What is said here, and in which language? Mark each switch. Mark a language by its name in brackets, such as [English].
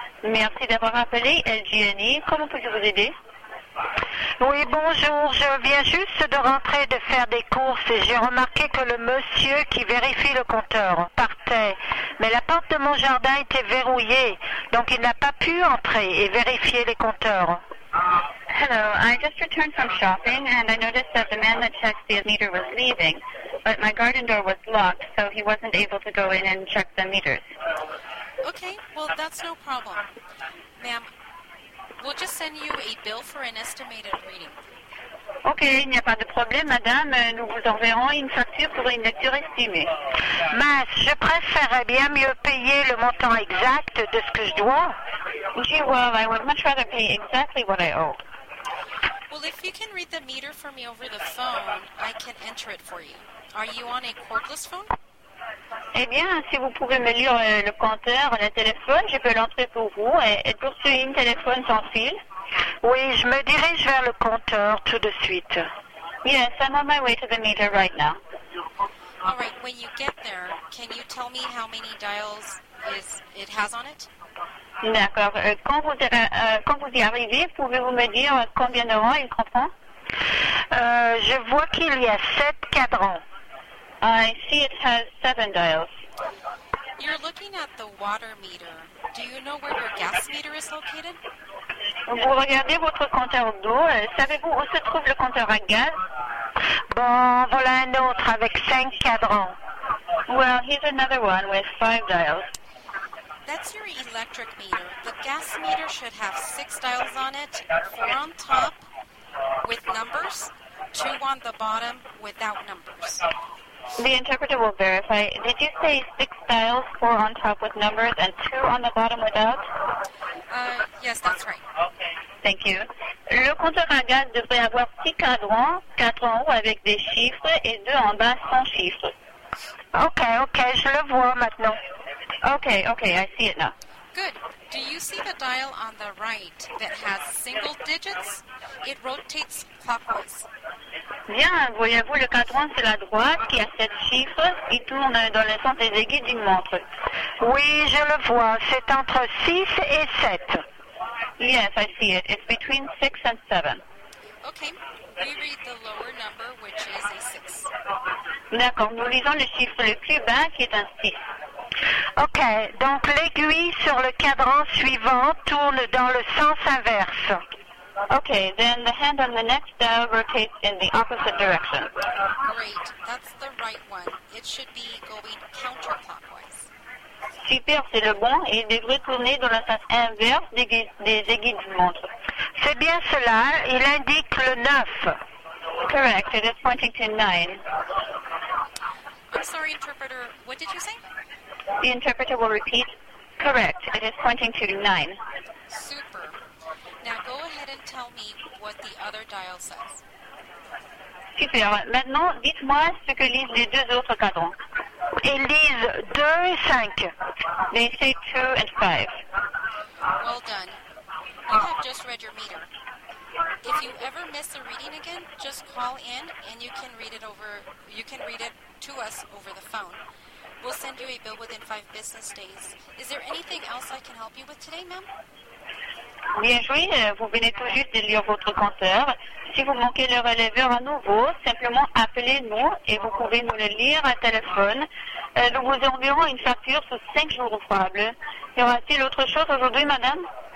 [French] Merci d'avoir appelé LGNE. Comment puis-je vous aider? Oui, bonjour. Je viens juste de rentrer de faire des courses et j'ai remarqué que le monsieur qui vérifie le compteur partait. Mais la porte de mon jardin était verrouillée, donc il n'a pas pu entrer et vérifier les compteurs. [English] Hello, I just returned from shopping and I noticed that the man that checked the meter was leaving, but my garden door was locked, so he wasn't able to go in and check the meters. Okay, well, that's no problem. Ma'am, we'll just send you a bill for an estimated reading. [French] Okay, il n'y a pas de problème, madame. Nous vous enverrons une facture pour une lecture estimée. Mais je préférerais bien mieux payer le montant exact de ce que je dois. [English] Okay, well, I would much rather pay exactly what I owe. Well, if you can read the meter for me over the phone, I can enter it for you. Are you on a cordless phone? [French] Eh bien, si vous pouvez me lire le compteur, le téléphone, je peux l'entrer pour vous. Êtes-vous sur un téléphone sans fil? Oui, je me dirige vers le compteur tout de suite. [English] Yes, I'm on my way to the meter right now. All right, when you get there, can you tell me how many dials it has on it? [French] D'accord. Quand vous y arrivez, pouvez-vous me dire combien de rangs il comprend? Je vois qu'il y a 7 cadrans. [English] I see it has 7 dials. You're looking at the water meter. Do you know where your gas meter is located? [French] Vous regardez votre compteur d'eau. Savez-vous où se trouve le compteur à gaz? Bon, voilà un autre avec 5 cadrans. [English] Well, here's another one with 5 dials. That's your electric meter. The gas meter should have 6 dials on it, 4 on top with numbers, 2 on the bottom without numbers. The interpreter will verify. Did you say 6 dials, 4 on top with numbers, and 2 on the bottom without? Yes, that's right. Okay. Thank you. [French] Le compteur à gaz devrait avoir 6 cadrans, 4 en haut avec des chiffres et 2 en bas sans chiffres. Okay, je le vois maintenant. [English] Okay, I see it now. Good. Do you see the dial on the right that has single digits? It rotates clockwise. [French] Bien, voyez-vous le cadran sur la droite qui a 7 chiffres, il tourne dans le sens des aiguilles d'une montre. Oui, je le vois, c'est entre 6 et 7. [English] Yes, I see it. It's between 6 and 7. Okay, we read the lower number, which is a 6. [French] D'accord, nous lisons le chiffre le plus bas qui est un 6. Okay, donc l'aiguille sur le cadran suivant tourne dans le sens inverse. [English] Okay, then the hand on the next dial rotates in the opposite direction. Great, that's the right one. It should be going counterclockwise. [French] Super, c'est le bon. Il devrait tourner dans le sens inverse des aiguilles du montre. C'est bien cela. Il indique le 9. [English] Correct, it is pointing to 9. I'm sorry, interpreter, what did you say? The interpreter will repeat. Correct, it is pointing to 9. Super. Now go ahead and tell me what the other dial says. [French] Super. Maintenant, dites-moi ce que lisent les deux autres cadrans. Ils lisent 2 et 5. [English] They say 2 and 5. Well done. You have just read your meter. If you ever miss a reading again, just call in and you can read it to us over the phone. We'll send you a bill within 5 business days. Is there anything else I can help you with today, ma'am? [French] Bien joué, vous venez tout juste de lire votre compteur. Si vous manquez le releveur à nouveau, simplement appelez-nous et vous pouvez nous le lire à téléphone. Nous vous enverrons une facture sous 5 jours ouvrables. Y aura-t-il autre chose aujourd'hui, madame?